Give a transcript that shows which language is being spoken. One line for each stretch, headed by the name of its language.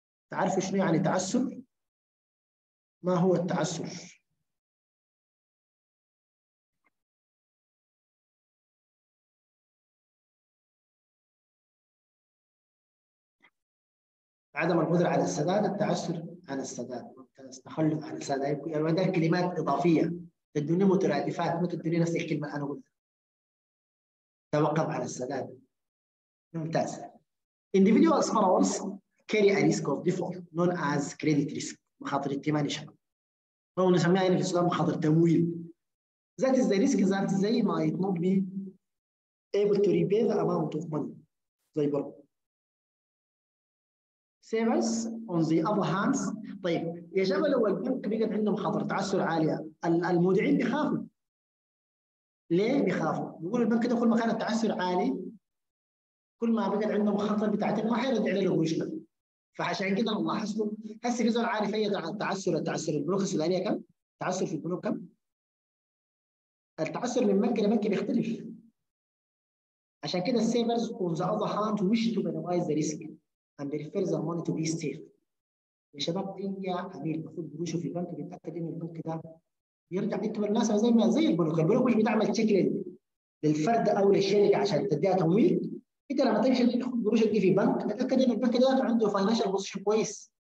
Arabic: تعرف شنو يعني تعسف؟ ما هو التعسف؟ عدم القدرة على السداد، التعسر عن السداد، ممتاز، تخلف عن السداد، يعني ده كلمات إضافية تدوني مترادفات، ما تدوني نفس الكلمة أنا قلتها. توقف عن السداد. ممتاز.
English: Individuals borrowers carry a risk of default known as credit risk، مخاطر ائتماني شباب.
Arabic: هو نسميها هنا في السودان مخاطر تمويل.
English: That is the risk that they might not be able to repay the amount of money they borrow. Savers on the other hands.
Arabic: طيب يا شباب لو البنك بقت عندهم خطر تعسر عاليه، المودعين بيخافوا. ليه بيخافوا؟ بيقولوا البنك ده كل ما كان التعسر عالي كل ما بقت عندهم خطر بتاعتهم ما حيرد عليه قروشنا. فعشان كده نلاحظ له هسه في زول عارف اي تعسر، التعسر البنوك السودانيه كم؟ التعسر في البنوك كم؟ التعسر من بنك لبنك بيختلف. عشان كده السيفرز
English: on the other hand wish to minimize the risk. And they refer the money to be safe.
Arabic: يا شباب اي عميل بياخد قروشه في البنك بيتاكد ان البنك ده بيرجع يكتب الناس زي ما زي البنوك، البنوك مش بتعمل تشيك للفرد او للشركه عشان تديها تمويل. انت لما تمشي تاخد قروشك دي في بنك تتاكد ان البنك ده عنده فاينانشال بوزيشن كويس